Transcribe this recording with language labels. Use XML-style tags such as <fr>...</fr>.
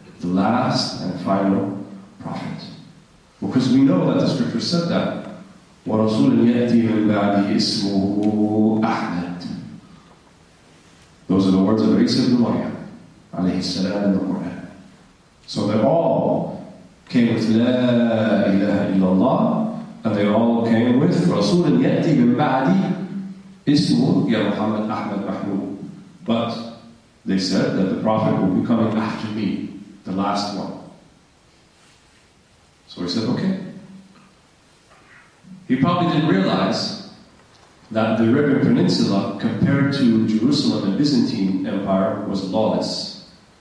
<en>The last and final prophet. Because we know that the scripture said that.</en> <ar>وَرَسُولٌ يَأْتِي مِنْ بَعْدِهِ إِسْمُهُ أَحْمَدٌ.</ar> <en>Those are the words of Isa ibn Maryam</en> <ar>عليه السلام</ar> <en>in the Quran. So they all came with</en> <ar>لا إله إلا الله,</ar> <en>and they all came with</en> <ar>رَسُولٌ يَأْتِي مِنْ بَعْدِهِ إِسْمُهُ يَا مُحَمَّدْ أَحْمَدْ مَحْمُودٌ.</ar> <en>But they said that the Prophet will be coming after me, the last one. So he said, okay. He probably didn't realize that the Arabian Peninsula, compared to Jerusalem and Byzantine Empire, was lawless.</en>